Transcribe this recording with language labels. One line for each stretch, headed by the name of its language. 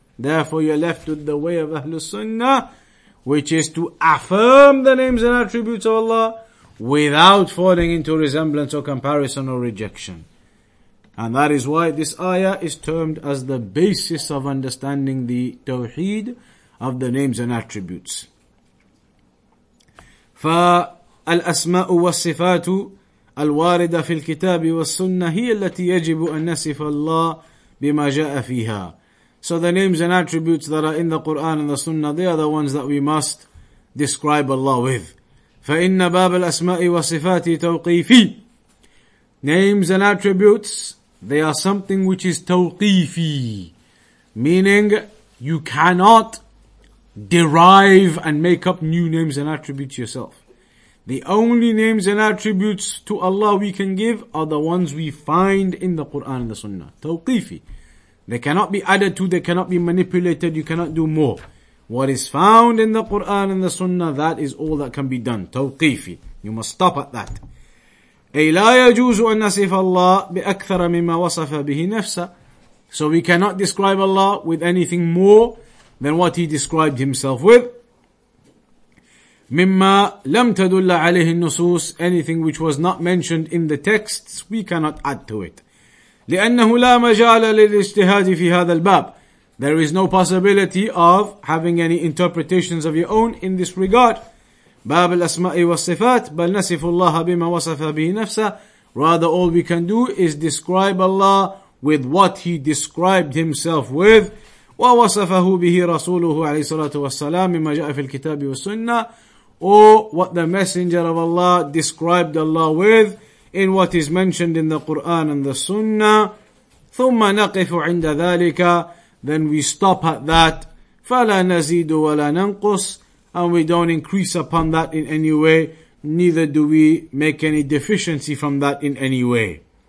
English: Therefore you're left with the way of Ahlul Sunnah, which is to affirm the names and attributes of Allah without falling into resemblance or comparison or rejection. And that is why this ayah is termed as the basis of understanding the tawheed of the names and attributes.
Arabic: فَالْأَسْمَاءُ وَالصِّفَاتُ الواردة في الكتاب والسنة هي التي يجب أن نصف الله بما جاء فيها.
English: So the names and attributes that are in the Quran and the Sunnah, they are the ones that we must describe Allah with.
Arabic: فإن باب الأسماء والصفات توقيفي.
English: Names and attributes, they are something which is توقيفي, meaning you cannot derive and make up new names and attributes yourself. The only names and attributes to Allah we can give are the ones we find in the Quran and the Sunnah. Tawqifi. They cannot be added to, they cannot be manipulated, you cannot do more. What is found in the Quran and the Sunnah, that is all that can be done. Tawqifi. You must stop at that.
Arabic: أي لا يجوز أن نصف الله بأكثر مما وصف به نفسه.
English: So we cannot describe Allah with anything more than what he described himself with.
Arabic: مما لم تدل عليه النصوص,
English: anything which was not mentioned in the texts, we cannot add to it.
Arabic: لأنه لا مجال للاجتهاد في هذا الباب.
English: There is no possibility of having any interpretations of your own in this regard.
Arabic: باب الأسماء والصفات بل نصف الله بما وصف به نفسه.
English: Rather, all we can do is describe Allah with what he described himself with.
Arabic: ووصفه به رسوله عليه الصلاة والسلام مما جاء في الكتاب والسنة.
English: Or what the messenger of Allah described Allah with in what is mentioned in the Quran and the Sunnah.
Arabic: ثم نقف عند ذلك.
English: Then we stop at that.
Arabic: فلا نزيد ولا ننقص.
English: And we don't increase upon that in any way, neither do we make any deficiency from that in any way.